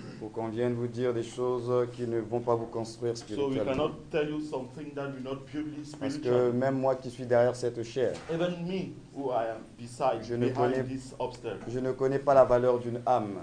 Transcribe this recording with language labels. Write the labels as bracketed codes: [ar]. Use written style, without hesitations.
[fr] Pour qu'on vienne vous dire des choses qui ne vont pas vous construire spirituellement. [en] So we cannot tell you something that will not build you spiritually. [fr] Parce que même moi qui suis derrière cette chair, [en] even me, who I am beside, [fr] je ne connais pas la valeur d'une âme.